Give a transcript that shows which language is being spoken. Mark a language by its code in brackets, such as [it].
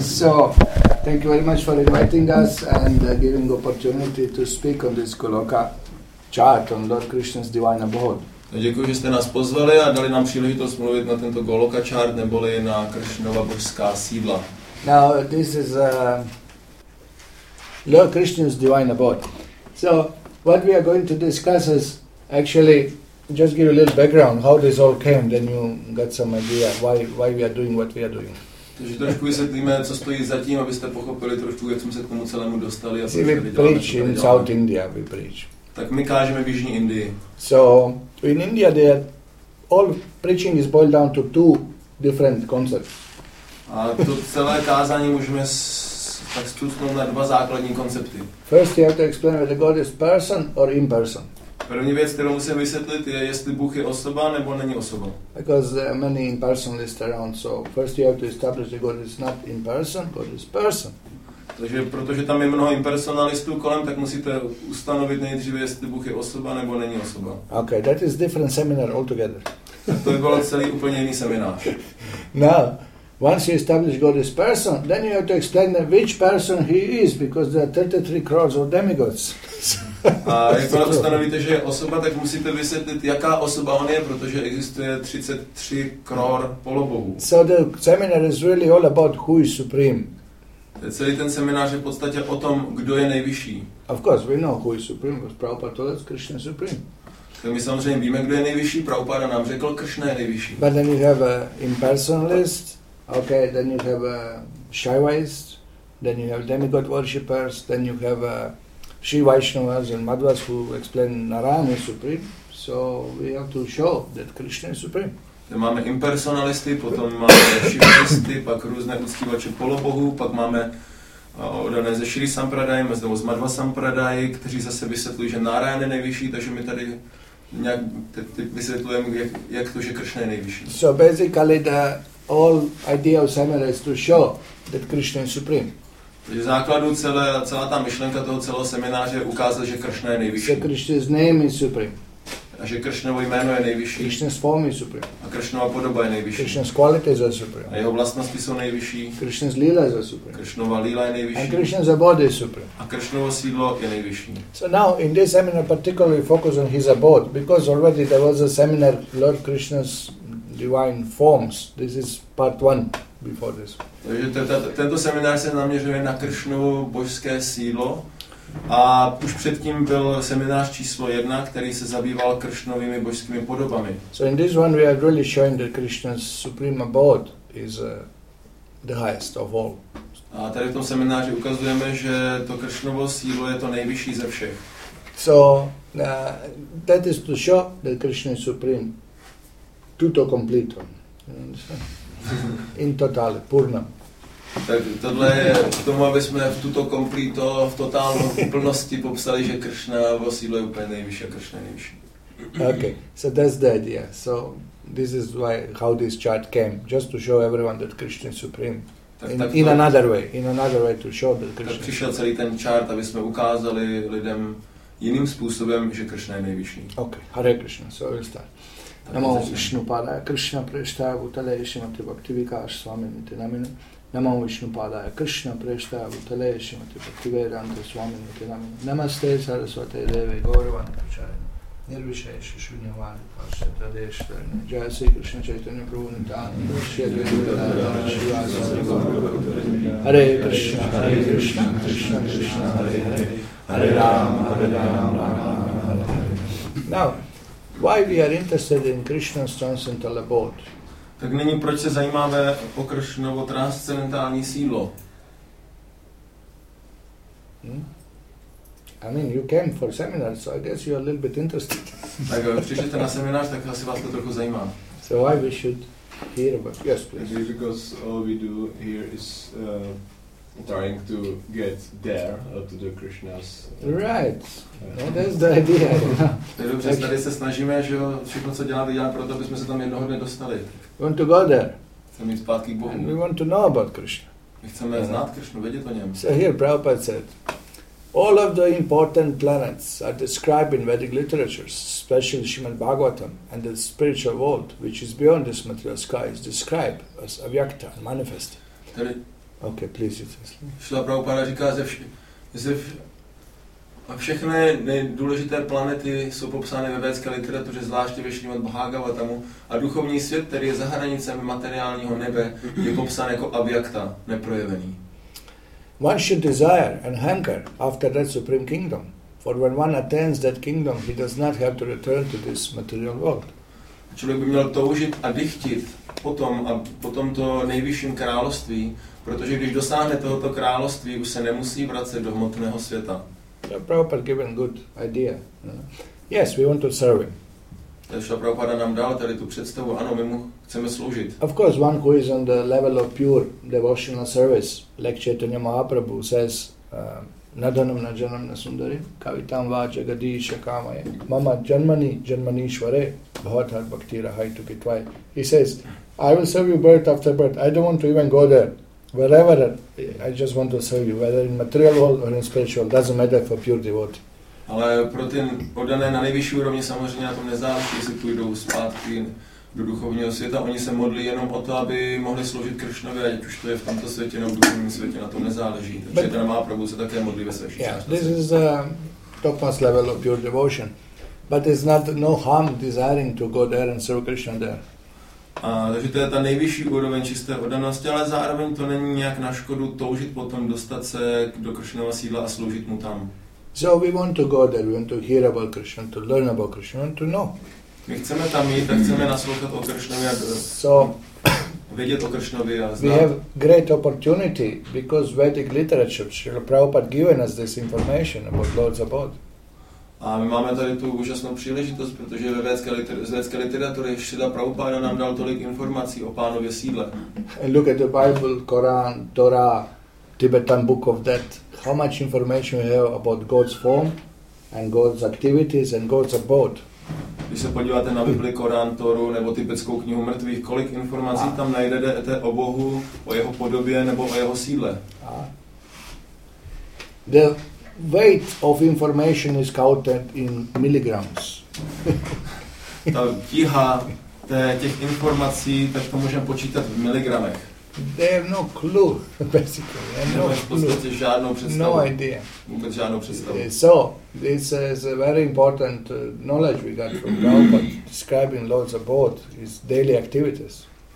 [en] So, thank you very much for inviting us and giving the opportunity to speak on this Goloka chart on Lord Krishna's divine abode. [cs] Děkuji, že jste nás pozvali a dali nám příležitost mluvit na tento Goloka chart, neboli na Krishnova božská sídla. [en] Now, this is Lord Krishna's divine abode. So, what we are going to discuss is actually just give a little background how this all came, then you get some idea why we are doing what we are doing. [cs] Takže trošku vysvětlíme, co stojí za tím, abyste pochopili trošku, jak jsme se k tomu celému dostali. [en] See, we preach in South India, we preach. [cs] Tak my kážeme v jižní Indii. [en] So in India, there all preaching is boiled down to two different concepts. [cs] A to celé kázání můžeme tak stručně na dva základní koncepty. [en] First, you have to explain whether God is person or imperson. [cs] První věc, kterou musím vysvětlit, je, jestli Bůh je osoba nebo není osoba. [en] Because there are many impersonalists around, so first you have to establish that God is not in person, God is person. [cs] Takže protože tam je mnoho impersonalistů kolem, tak musíte ustanovit nejdříve, jestli Bůh je osoba nebo není osoba. [en] Okay, that is different seminar altogether. [cs] To by bylo celý úplně jiný seminář. [en] Now, once you establish God is person, then you have to explain that which person he is, because there are 33 crores of demigods. [cs] A jakmile ustanovíte, že je osoba, tak musíte vysvětlit, jaká osoba on je, protože existuje 33 kror polobohů. [en] So the seminar is really all about who is supreme. [cs] Celý ten seminář je v podstatě o tom, kdo je nejvyšší. [en] Of course, we know who is supreme, because Prabhupada told us Krishna is supreme. [cs] Tak my samozřejmě víme, kdo je nejvyšší, Prabhupada nám řekl, Krishna je nejvyšší. [en] But then you have an impersonalist, okay, then you have a Shaivist, then you have demigod worshippers, then you have a Sri Vaishnavas and Madhvas who explain Narayana is supreme, so we have to show that Krishna is supreme. Then [cs] máme impersonalisty, potom máme Shivaisty, pak různé uctívače polobohů, pak máme odané ze Sri Sampradaya, nebo z Madhva Sampradaya, kteří zase vysvětlují, že Narayana je nejvyšší, takže my tady nějak vysvětlujeme, jak to, že Krishna je nejvyšší. [en] So basically the all idea of seminar is to show that Krishna is supreme. [cs] Takže základu celá ta myšlenka toho celého semináře ukázal, že Krishna je nejvyšší. [en] Krishna's name is supreme. [cs] A že Krishnovo jméno je nejvyšší. [en] Krishna's form is supreme. [cs] A Krishnova podoba je nejvyšší. [en] Krishna's qualities are supreme. [cs] A jeho vlastnosti jsou nejvyšší. [en] Krishna's lila is supreme. [cs] Krishnova lila je nejvyšší. [en] And Krishna's abode is supreme. [cs] A Krishnovo sídlo je nejvyšší. [en] So now in this seminar particularly focus on his abode, because already there was a seminar Lord Krishna's divine forms. This is part one. Before this. [cs] Takže tento seminář se zaměřuje na Kršnovo božské sídlo a už předtím byl seminář číslo 1, který se zabýval Kršnovými božskými podobami. [en] So in this one we are really showing that Krishna's supreme abode is the highest of all. [cs] A tady v tom semináři ukazujeme, že to Kršnovo sídlo je to nejvyšší ze všech. [en] So that is to show that Krishna is supreme, [it] tutto completo. In totale, purna. [cs] Tak tohle je k tomu, aby jsme v tuto komplíto, v totálnou úplnosti popsali, že Krishna vo sídlo je úplně nejvyšší a Krishna nejvyšší. [en] Okay, so that's the idea. So this is why, how this chart came. Just to show everyone that Krishna is supreme. In another way to show that Krishna. [cs] Tak přišel celý ten chart, aby jsme ukázali lidem jiným způsobem, že Krishna je nejvyšší. [en] Okay, Hare Krishna, so we'll start. [sa] Namo Vishnupadaya Krishna Prestaya Bhutalaya Shrimati Bhakti Vikas Swami Niti Namine. Namo Vishnupadaya Krishna Prestaya Bhutalaya Shrimati Bhakti Vedanta Swami Niti Namine. Namaste Sarasvate Devi Gauravani Pracharini. Nirvishesha Shunyavadi Parashita Deshvarini. Jaya Sri Krishna Chaitanya Prabhu Nityananda. Hare Krishna, Hare Krishna, Krishna Krishna, Hare Hare. Hare Rama, Hare Rama, Rama Rama. [en] Why we are interested in Krishna's transcendental abode? [cs] Tak nyní proč se zajímáme o Krishnovo transcendentální sídlo? [en] I mean, you came for seminar, so I guess you are a little bit interested. [cs] Tak přišlete na seminář, tak asi vás to trochu zajímá. [en] So why we should hear about? Yes, please. Because all we do here is trying to get there to the Krishna's. Right. That's the idea. [cs] Dobře, tady se snažíme, že všechno, co děláme, děláme proto, aby jsme se tam jednoho dne dostali. [en] We want to go there. [cs] Chceme jít zpátky k Bohu. [en] We want to know about Krishna. [cs] My chceme znát Krishnu, vědět o něm. [en] So here Prabhupada said, All of the important planets are described in Vedic literatures, especially Srimad Bhagavatam, and the spiritual world, which is beyond this material sky, is described as avyakta, manifest. Okay, please. [cs] Srila Prabhupada říká, a všechny nejdůležité planety jsou popsány ve vědecké literatuře, zvláště ve Srimad Bhagavatamu, a duchovní svět, který je za hranicemi materiálního nebe, je popsán jako avyakta, neprojevený. [en] One should desire and hanker after that supreme kingdom, for when one attains that kingdom, he does not have to return to this material world. [cs] Člověk by měl toužit a dychtit po tomto nejvyšším království, protože když dosáhne tohoto království, už se nemusí vracet do hmotného světa. [en] So Prabhupada given good idea. Yes, we want to serve him. [cs] Takže Prabhupada nám dal tady tu představu, ano, my mu chceme sloužit. [en] Of course, one who is on the level of pure devotional service, like Chaitanya Mahaprabhu says, [sa] nadanam najanam nasundari, kavitam vaja gadisha kamaya, mama janmani janmanishware, bhavatar bhakti rahai tukitvai. [en] He says, I will serve you birth after birth, I don't want to even go there. Wherever, I just want to serve you, whether in material world or in spiritual, doesn't matter for pure devotee. [cs] Ale pro ty oddané na nejvyšší úrovni samozřejmě na tom nezáleží, jestli půjdou zpátky do duchovního světa. Oni se modlí jenom o to, aby mohli sloužit Kršnovi, ať už to je v tomto světě nebo v duchovním světě, na tom nezáleží. Takže ten má Prabhu se také modlí ve své všichni. [en] Yeah, this is a topmost level of pure devotion. But it's not no harm desiring to go there and serve Krishna there. [cs] A, takže to je ta nejvyšší úroveň čisté oddanosti, ale zároveň to není nějak na škodu toužit potom dostat se do Kršnova sídla a sloužit mu tam. [en] So we want to go there, we want to hear about Krishna, to learn about Krishna, we want to know. [cs] My chceme tam jít a chceme naslouchat o Krishnovi a vědět o Krishnovi a znát. [en] We have great opportunity, because Vedic literature, Srila Prabhupada given us this information about Lord's abode. [cs] A my máme tady tu úžasnou příležitost, protože ve vědecké literatury Srila Prabhupada nám dal tolik informací o pánově sídle. [en] And look at the Bible, Quran, Torah, Tibetan Book of Death. How much information we have about God's form and God's activities and God's abode. [cs] Když se podíváte na Bibli, Korán, Toru nebo tibetskou knihu mrtvých, kolik informací tam najdete o Bohu, o jeho podobě nebo o jeho síle. [en] The weight of information is counted in milligrams. [cs] Ta tíha těch informací, tak to můžeme počítat v miligramech. [en] They have no clue, basically. No idea. So, this is a very important knowledge we got from Prabhupada, describing Lord's abode, his daily activities.